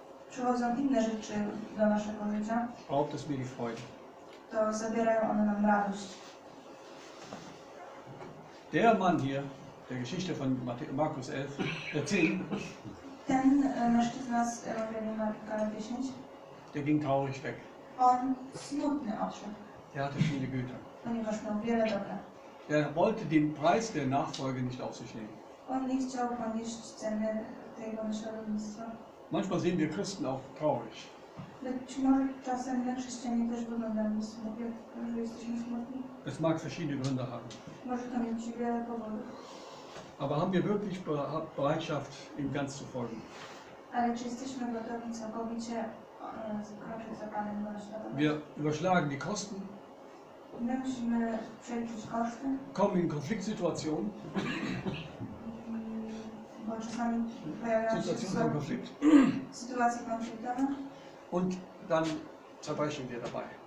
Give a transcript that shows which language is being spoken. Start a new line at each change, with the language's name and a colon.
Polish: Przychodzą inne rzeczy do naszego życia.
German: Raubt es mir die Freude.
Polish: To zabierają one nam radość.
German: Der Mann hier, der Geschichte von Markus 11, 10,
Polish: ten mężczyzna z Ewangelii Marka 10,
German: der ging traurig weg.
Polish: On smutny odszedł.
German: Der hatte viele Güter.
Polish: Ponieważ miał wiele dobra.
German: Der wollte den Preis der Nachfolge nicht auf sich nehmen.
Polish: On nie chciał ponieść ceny tego naśladownictwa.
German: Manchmal sehen wir Christen auch traurig.
Polish: Być może czasem na chrześcijanie też wyglądamy smutnie, że jesteśmy smutni.
German: Es mag verschiedene Gründe haben.
Polish: Może to mieć wiele powodów.
German: Aber haben wir wirklich Bereitschaft, ihm ganz zu folgen?
Polish: Ale czy jesteśmy gotowi całkowicie kroczyć za Panem na naśladowanie?
German: Wir überschlagen die Kosten.
Polish: My musimy przeliczyć koszty.
German: Kommen in Konfliktsituationen.
Polish: Bo czasami pojawiają się sytuacje konfliktowe.
German: Und dann zerbrechen wir dabei.